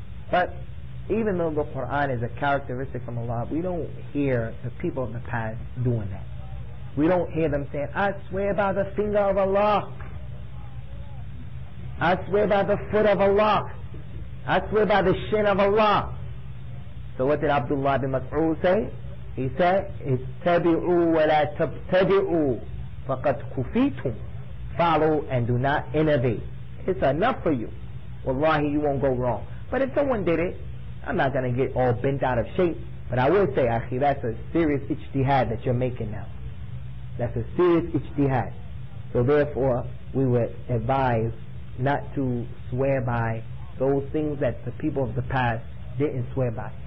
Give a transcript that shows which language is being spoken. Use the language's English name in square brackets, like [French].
[English] But even though the Quran is a characteristic from Allah, we don't hear the people of the past doing that. We don't hear them saying, I swear by the finger of Allah, I swear by the foot of Allah, I swear by the shin of Allah. So what did Abdullah bin Mas'ud say? He said, [Arabic] اتبعوا ولا تبتدعوا فقد كفيتم. [English] Follow and do not innovate. It's enough for you. Wallahi, you won't go wrong. But if someone did it, I'm not going to get all bent out of shape. But I will say, akhi, that's a serious ijtihad that you're making now. That's a serious ijtihad. So therefore, we would advise not to swear by those things that the people of the past didn't swear by.